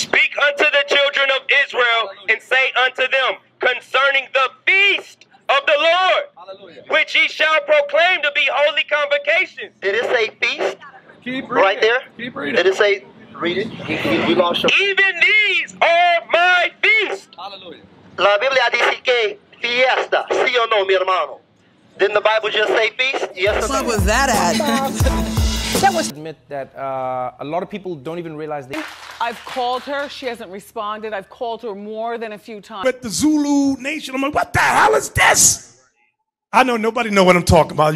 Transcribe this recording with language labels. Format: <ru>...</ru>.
<en>Speak unto the children of Israel and say unto them concerning the feast of the Lord, which ye shall proclaim to be holy convocation. Did it say feast? Keep reading. Right there? Keep reading. Did it say? Read it. Even these are my feasts. Hallelujah.</en> <es>La Biblia dice que fiesta. Si o no, mi hermano.</es> <en>Didn't the Bible just say feast? Yes or no? What was that at? That was admit that a lot of people don't even realize they. I've called her. She hasn't responded. I've called her more than a few times. But the Zulu nation, I'm like, what the hell is this? I know nobody know what I'm talking about.</en>